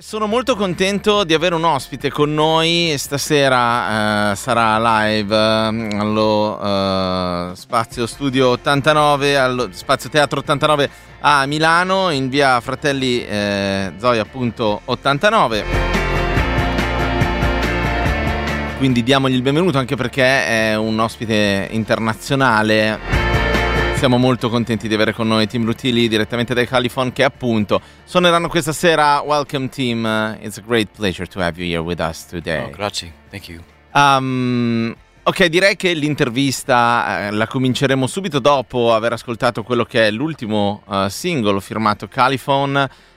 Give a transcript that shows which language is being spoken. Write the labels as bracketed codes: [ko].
[it] Sono molto contento di avere un ospite con noi stasera, sarà live allo Spazio Studio 89, allo Spazio Teatro 89 a Milano, in via Fratelli Zoia appunto 89. Quindi diamogli il benvenuto, anche perché è un ospite internazionale. Siamo molto contenti di avere con noi Tim Rutili direttamente dai Califon, che appunto suoneranno questa sera. [en] Welcome Tim, it's a great pleasure to have you here with us today. [it] Oh, grazie, [en] thank you. [it] Ok, direi che l'intervista la cominceremo subito dopo aver ascoltato quello che è l'ultimo singolo firmato Califon.